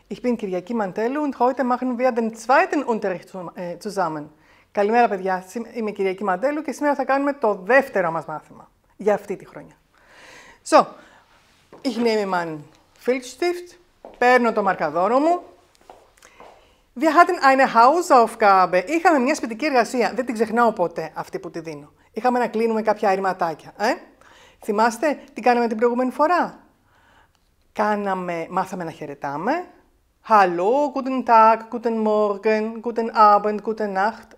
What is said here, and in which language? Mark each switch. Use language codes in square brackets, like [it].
[de] Ich bin Kyriaki Mantelou und heute machen wir den zweiten Unterricht zusammen. [el] Καλημέρα, παιδιά. Είμαι η Κυριακή Μαντέλου και σήμερα θα κάνουμε το δεύτερο μας μάθημα για αυτή τη χρονιά. [de] So, ich nehme meinen Filzstift, [el] παίρνω το μαρκαδόρο μου. [de] Wir hatten eine Hausaufgabe. [el] Είχαμε μια σπιτική εργασία. Δεν την ξεχνάω ποτέ αυτή που τη δίνω. Είχαμε να κλείνουμε κάποια ερηματάκια. Ε? Θυμάστε τι κάναμε την προηγούμενη φορά? Μάθαμε να χαιρετάμε. [de] Hallo, guten Tag, guten Morgen, guten Abend, guten Nacht.